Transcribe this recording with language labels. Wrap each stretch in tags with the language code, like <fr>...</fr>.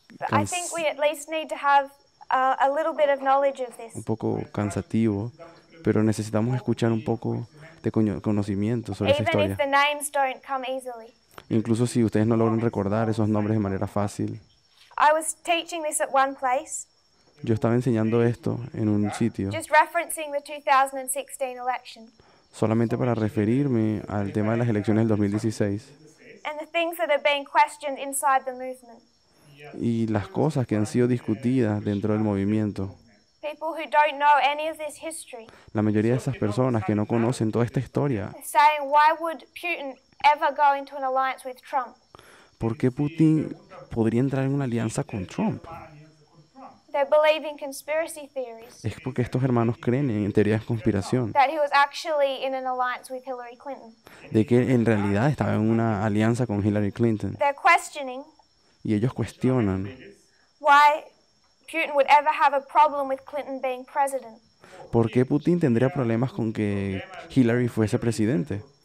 <en>I think we at least need to have a little bit of knowledge of this.</en> <es>Un poco cansativo, pero necesitamos escuchar un poco de conocimiento sobre esa historia.</es> <en>Even if the names don't come easily.</en> <es>Incluso si ustedes no logran recordar esos nombres de manera fácil.</es> <en>I was teaching this at one place.</en> <es>Yo estaba enseñando esto en un sitio.</es> <en>Just referencing the 2016 election.</en> <es>Solamente para referirme al tema de las elecciones del 2016.</es> <en>And the things that are being questioned inside the movement.</en> <es>Y las cosas que han sido discutidas dentro del movimiento.</es> <en>People who don't know any of this history.</en> <es>La mayoría de esas personas que no conocen toda esta historia.</es> <en>Saying, why would Putin ever go into an alliance with Trump?</en> <es>¿Por qué Putin podría entrar en una alianza con Trump?</es> <en>They believe in conspiracy theories.</en> <es>Es porque estos hermanos creen en teorías de conspiración.</es> <en>That he was actually in an alliance with Hillary Clinton.</en> <es>De que en realidad estaba en una alianza con Hillary Clinton.</es> <en>They're questioning.</en> <es>Y ellos cuestionan.</es> <en>Why Putin would ever have a problem with Clinton being president?</en> <es>¿Por qué Putin tendría problemas con que Hillary fuese presidente?</es>